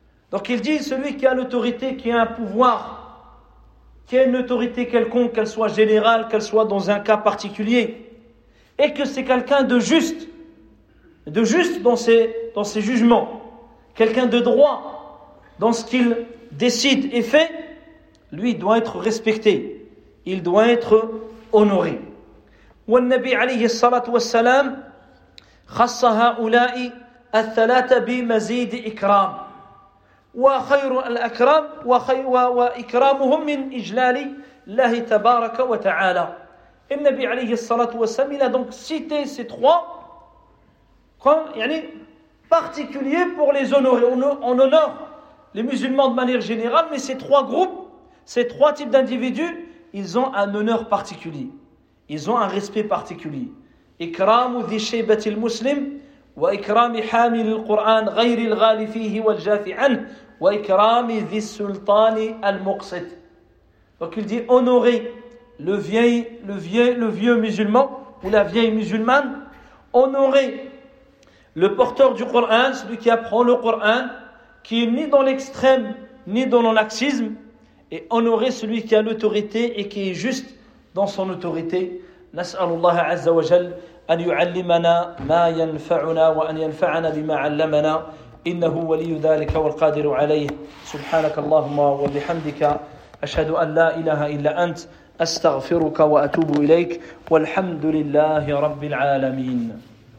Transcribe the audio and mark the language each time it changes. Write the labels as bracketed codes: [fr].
[fr] Donc il dit, celui qui a l'autorité, qui a un pouvoir, qui a une autorité quelconque, qu'elle soit générale, qu'elle soit dans un cas particulier, et que c'est quelqu'un de juste dans ses jugements, quelqu'un de droit dans ce qu'il décide et fait, lui doit être respecté, il doit être honoré. [ar] Wa an-nabi alayhi salatu wa salam khassa ha'ula'i الثلاثة بمزيد إكرام وخير الأكرام وإكرامهم من إجلال الله تبارك وتعالى. النبي عليه الصلاة والسلام [fr] il a donc cité ces trois comme [ar] يعني [fr] particulier pour les honorer. On honore les musulmans de manière générale, mais ces trois groupes, ces trois types d'individus, ils ont un honneur particulier. Ils ont un respect particulier. [ar] إكرام ذي شيبة المسلم وإكرام حامل القرآن غير الغالي فيه والجافع عنه وإكرام ذي السلطان المقصد. [fr] Donc il dit honorer le vieux musulman ou la vieille musulmane, honorer le porteur du Coran, celui qui apprend le Coran, qui est ni dans l'extrême ni dans le laxisme, et honorer celui qui a l'autorité et qui est juste dans son autorité. [ar] نسأل الله عز وجل أن يعلمنا ما ينفعنا وأن ينفعنا بما علمنا إنه ولي ذلك والقادر عليه. سبحانك اللهم وبحمدك أشهد أن لا إله إلا أنت أستغفرك وأتوب إليك والحمد لله رب العالمين.